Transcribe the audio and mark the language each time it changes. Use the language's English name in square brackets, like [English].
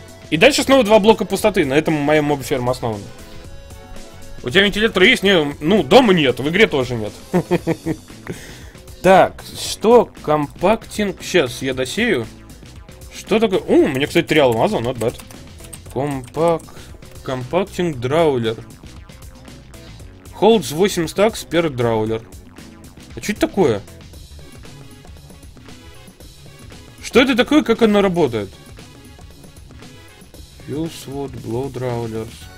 [Russian] И дальше снова два блока пустоты. На этом моя моб-ферма основана. У тебя вентилятор есть? Не, ну, дома нет, в игре тоже нет. Так, что? Компактинг... Сейчас, я досею. Что такое? У меня, кстати, три алмаза, [English] not bad. [Russian] Компактинг драулер. [English] Holds 8 stacks per драулер. [Russian] А что это такое? Что это такое, как оно работает? [English] Fuse wood, glow драулерс.